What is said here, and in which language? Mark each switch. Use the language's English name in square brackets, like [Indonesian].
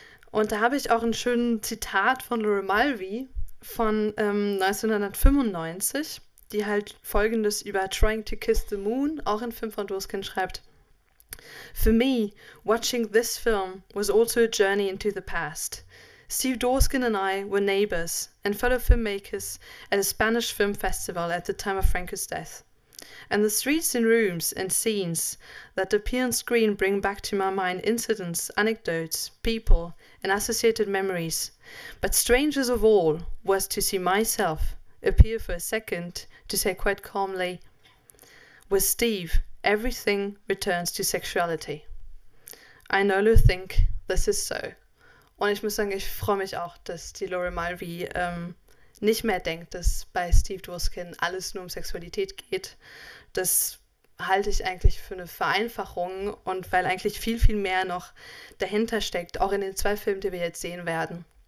[German] Und da habe ich auch einen schönen Zitat von Laura Mulvey von 1995, die halt Folgendes über Trying to Kiss the Moon, auch in Film von Duskin, schreibt: [English] "For me, watching this film was also a journey into the past. Steve Duskin and I were neighbors and fellow filmmakers at a Spanish film festival at the time of Franco's death. And the streets and rooms and scenes that appear on screen bring back to my mind incidents, anecdotes, people, and associated memories. But strangest of all was to see myself appear for a second, to say quite calmly, with Steve, everything returns to sexuality. I no longer think this is so." [German] Und ich muss sagen, ich freue mich auch, dass die Laura Mulvey nicht mehr denkt, dass bei Steve Duskin alles nur um Sexualität geht. Das halte ich eigentlich für eine Vereinfachung und weil eigentlich viel, viel mehr noch dahinter steckt, auch in den zwei Filmen, die wir jetzt sehen werden.